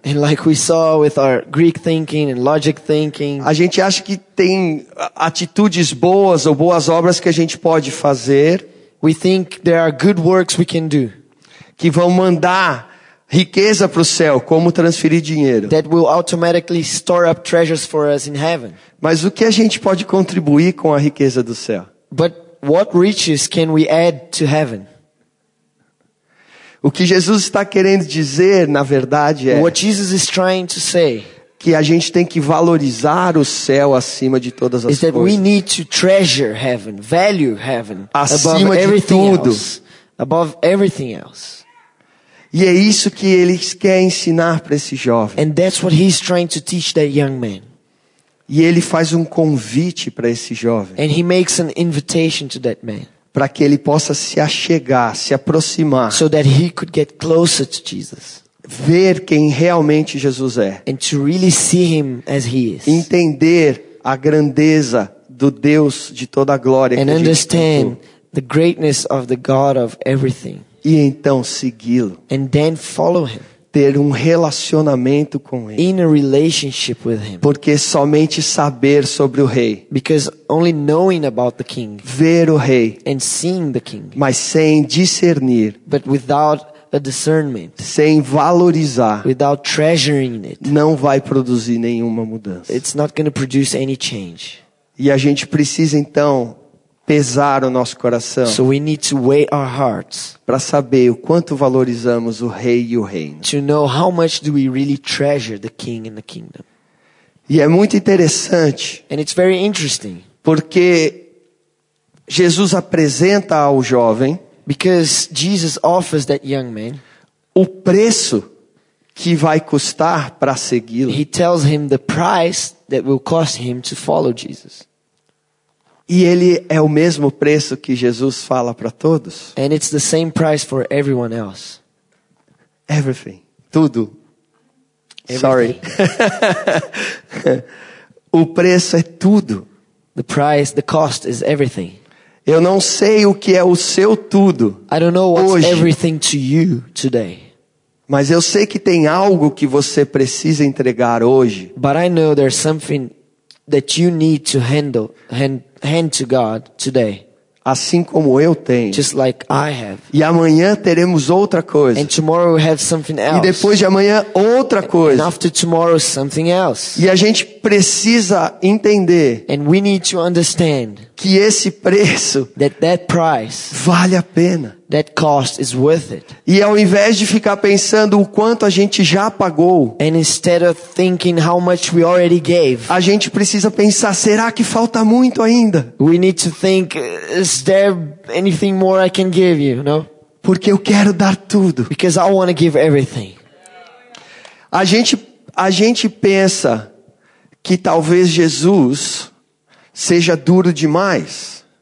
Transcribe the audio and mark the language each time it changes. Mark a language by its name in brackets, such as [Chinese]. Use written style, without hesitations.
[English] and like we saw with our Greek thinking and logic thinking, [Portuguese] a gente acha que tem atitudes boas ou boas obras que a gente pode fazer. [English] We think there are good works we can do. [Portuguese] Que vão mandar riqueza para o céu, como transferir dinheiro. [English] That will automatically store up treasures for us in heaven. [Portuguese] Mas o que a gente pode contribuir com a riqueza do céu? [English] But what riches can we add to heaven? [Portuguese] O que Jesus está querendo dizer, na verdade, é [English] what Jesus is trying to say, [Portuguese] que a gente tem que valorizar o céu acima de todas as coisas. [English] Is that we need to treasure heaven, value heaven, [Portuguese] acima de tudo. [English] Above everything else. [Portuguese] E é isso que ele quer ensinar para esse jovem. [English] And that's what he's trying to teach that young man. [Portuguese] E ele faz um convite para esse jovem. [English] And he makes an invitation to that man. [Portuguese] Para que ele possa se achegar, se aproximar. [English] So that he could get closer to Jesus. [Portuguese] Ver quem realmente Jesus é. [English] And to really see him as he is. [Portuguese] Entender a grandeza do Deus de toda a glória. [English] And understand the greatness of the God of everything. [Portuguese] E então segui-lo. [English] And then follow him. [Portuguese] Ter um relacionamento com ele. [English] In a relationship with him. [Portuguese] Porque somente saber sobre o rei. [English] Because only knowing about the king. [Portuguese] Ver o rei. [English] And seeing the king. [Portuguese] Mas sem discernir. [English] But without a discernment. [Portuguese] Sem valorizar. [English] Without treasuring it. [Portuguese] Não vai produzir nenhuma mudança. [English] It's not going to produce any change. [Portuguese] E a gente precisa então pesar o nosso coração. [English] So we need to weigh our hearts. [Portuguese] Para saber o quanto valorizamos o rei e o reino. [English] To know how much do we really treasure the king and the kingdom. [Portuguese] E é muito interessante. [English] And it's very interesting. [Portuguese] Porque Jesus apresenta ao jovem. [English] Because Jesus offers that young man. [Portuguese] O preço que vai custar para segui-lo. [English] He tells him the price that will cost him to follow Jesus. [Portuguese] E ele é o mesmo preço que Jesus fala para todos? [English] And it's the same price for everyone else. Everything. [Portuguese] Tudo. [English] Everything. Sorry. [Portuguese] O preço é tudo. [English] The price, the cost is everything. [Portuguese] Eu não sei o que é o seu tudo. [English] I don't know what's [Portuguese] hoje. [English] Everything to you today. [Portuguese] Mas eu sei que tem algo que você precisa entregar hoje. [English] But I know there's something that you need to handle. Hand to God today. [Portuguese] assim como eu tenho. [English] Just like I have. [Portuguese] E amanhã teremos outra coisa. [English] And tomorrow we have something else. [Portuguese] E depois de amanhã outra coisa. [English] And after tomorrow something else. [Portuguese] E a gente precisa entender. [English] And we need to understand. [Portuguese] Que esse preço. [English] That price. [Portuguese] Vale a pena. [English] That cost is worth it. [Portuguese] E ao invés de ficar pensando o quanto a gente já pagou. [English] And instead of thinking how much we already gave. [Portuguese] A gente precisa pensar, será que falta muito ainda? [English] We need to think, is there anything more I can give you, no? [Portuguese] Porque eu quero dar tudo. [English] Because I want to give everything. [Portuguese] A gente pensa que talvez Jesus seja duro demais.